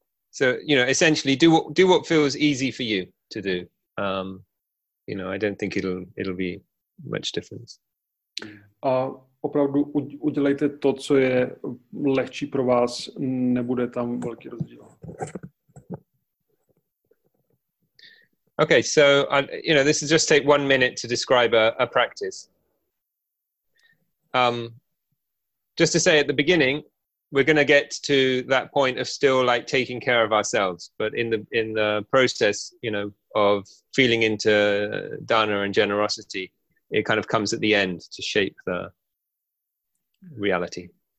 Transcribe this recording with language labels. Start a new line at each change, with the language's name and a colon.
English: So, you know, essentially do what feels easy for you to do. You know, I don't think it'll be much difference.
Czech: A opravdu udělejte to, co je lehčí pro vás, nebude tam velký rozdíl.
English: Okay, so you know, this is just take 1 minute to describe a practice. Just to say at the beginning, we're going to get to that point of still like taking care of ourselves, but in the process, you know, of feeling into dana and generosity, it kind of comes at the end to shape the reality.